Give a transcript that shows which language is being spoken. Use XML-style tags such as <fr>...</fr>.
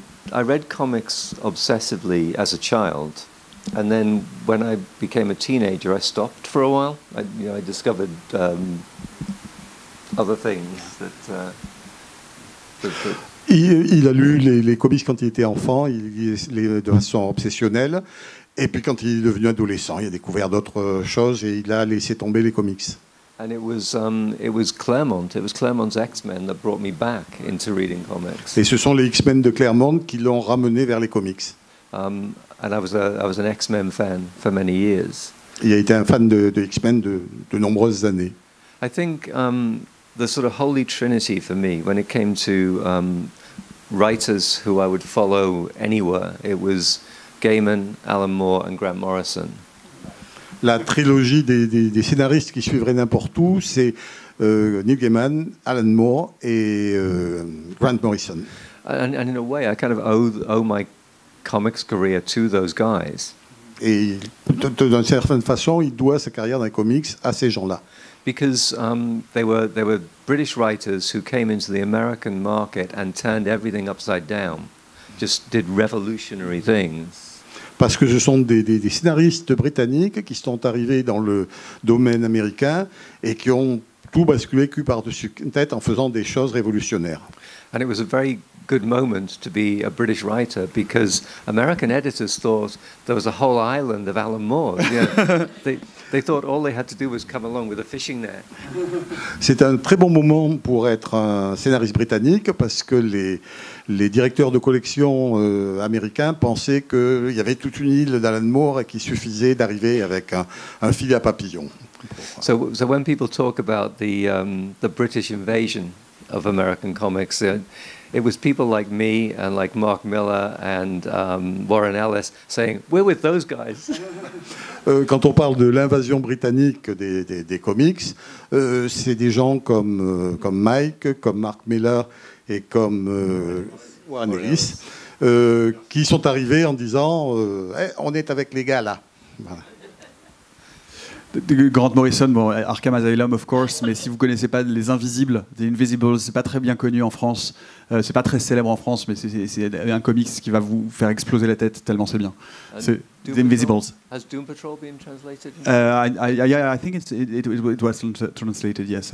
<en>I read comics obsessively as a child, and then when I became a teenager, I stopped for a while. I discovered other things that.</en> <fr>Il a lu les comics quand il était enfant, de façon obsessionnelle. Et puis quand il est devenu adolescent, il a découvert d'autres choses et il a laissé tomber les comics.</fr> <en>And it was Claremont's X-Men that brought me back into reading comics.</en> <fr>Et ce sont les X-Men de Claremont qui l'ont ramené vers les comics.</fr> <en>And I was an X-Men fan for many years.</en> <fr>Il a été un fan de X-Men de nombreuses années.</fr> <en>I think the sort of holy trinity for me when it came to writers who I would follow anywhere, it was Gaiman, Alan Moore and Grant Morrison.</en> <fr>La trilogie des scénaristes qui suivraient n'importe où, c'est Neil Gaiman, Alan Moore et Grant Morrison.</fr> <en>And in a way, I kind of owe my comics career to those guys.</en> <fr>et d'une certaine façon, il doit sa carrière dans les comics à ces gens-là.</fr> <en>Because they were British writers who came into the American market and turned everything upside down, just did revolutionary things.</en> <fr>Parce que ce sont des scénaristes britanniques qui sont arrivés dans le domaine américain et qui ont tout basculé cul par-dessus tête en faisant des choses révolutionnaires.</fr> <en>And it was a very good moment to be a British writer because American editors thought there was a whole island of Alan Moore. Yeah. They thought all they had to do was come along with a fishing net.</en> <fr>C'est un très bon moment pour être un scénariste britannique parce que les directeurs de collection américains pensaient qu'il y avait toute une île d'Alan Moore et qu'il suffisait d'arriver avec un filet à papillon.</fr> <en>So when people talk about the British invasion of American comics, it was people like me and like Mark Miller and Warren Ellis saying, "We're with those guys."</en> <fr>Quand on parle de l'invasion britannique des comics, c'est des gens comme Mike, comme Mark Miller et comme Warren Ellis qui sont arrivés en disant, "On est avec les gars là." Voilà. Grant Morrison, bon, Arkham Asylum,</fr> <en>of course,</en> <fr>mais si vous ne connaissez pas Les Invisibles, The Invisibles, ce n'est pas très bien connu en France, ce n'est pas très célèbre en France, mais c'est un comics qui va vous faire exploser la tête tellement c'est bien. C'est The Invisibles.</fr> <en>Has Doom Patrol been translated? I think it was translated, yes.</en>